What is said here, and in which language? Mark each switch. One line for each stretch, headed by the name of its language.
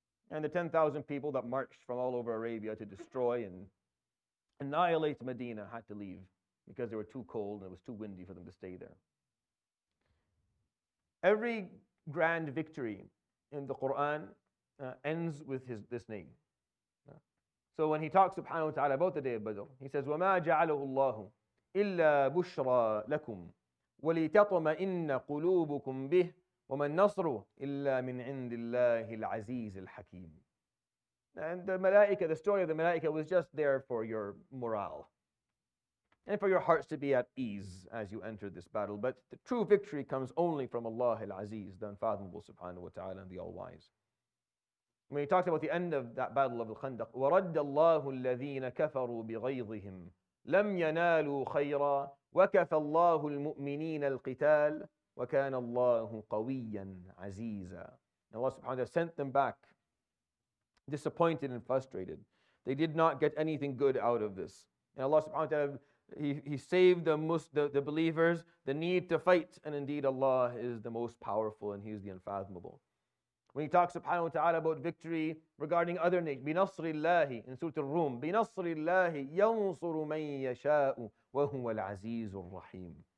English: And the 10,000 people that marched from all over Arabia to destroy and annihilate Medina had to leave because they were too cold and it was too windy for them to stay there. Every grand victory in the Quran ends with this name. So when he talks subhanahu wa ta'ala about the day of Badr, he says,
Arabic: وَمَا جَعَلَهُ اللَّهُ إِلَّا بُشْرَى لَكُمْ وَلِتَطْمَئِنَّ قُلُوبُكُمْ بِهِ وَمَا النَّصْرُ إِلَّا مِنْ عِنْدِ اللَّهِ الْعَزِيزِ الْحَكِيمِ.
English: And the malaika, the story of the malaika was just there for your morale and for your hearts to be at ease as you enter this battle. But the true victory comes only from Allah al-Aziz, the unfathomable subhanahu wa ta'ala and the all-wise. When he talks about the end of that battle of Al-Khandaq,
Arabic: وَرَدَّ اللَّهُ الَّذِينَ كَفَرُوا بِغَيْظِهِمْ لَمْ يَنَالُوا خَيْرًا وَكَفَى اللَّهُ الْمُؤْمِنِينَ الْقِتَالِ وَكَانَ اللَّهُ قَوِيًّا عَزِيزًا.
English: Allah subhanahu wa ta'ala sent them back disappointed and frustrated. They did not get anything good out of this. And Allah subhanahu wa ta'ala, he saved the believers the need to fight. And indeed Allah is the most powerful and He is the unfathomable. When he talks subhanahu wa ta'ala about victory regarding other nations,
Arabic: بِنَصْرِ اللَّهِ
English: in Surah Al-Rum,
Arabic: بِنَصْرِ اللَّهِ يَنْصُرُ مَنْ يَشَاءُ وَهُوَ الْعَزِيزُ الرَّحِيمُ.